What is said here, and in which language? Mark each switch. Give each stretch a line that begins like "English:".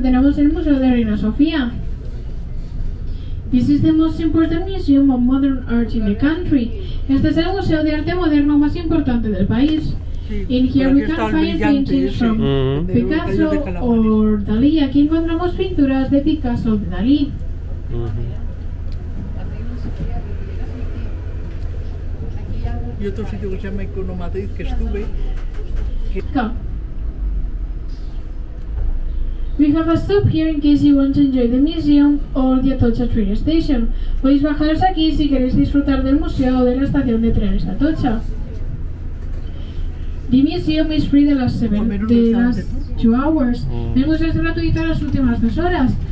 Spanish: Tenemos el Museo de Reina Sofía.
English: This is the most important museum of modern art in the country.
Spanish: Este es el museo de arte moderno más importante del país. Sí,
English: in here we can find paintings from Picasso or Dalí.
Spanish: Aquí encontramos pinturas de Picasso o Dalí. Y otro sitio que se llama Icono Madrid, que estuve.
English: We have a stop here in case you want to enjoy the museum or the Atocha train station.
Spanish: Podéis bajaros aquí si queréis disfrutar del museo o de la estación de trenes de Atocha.
English: The museum is free the last 2 hours.
Spanish: El museo es gratuito las últimas 2 horas.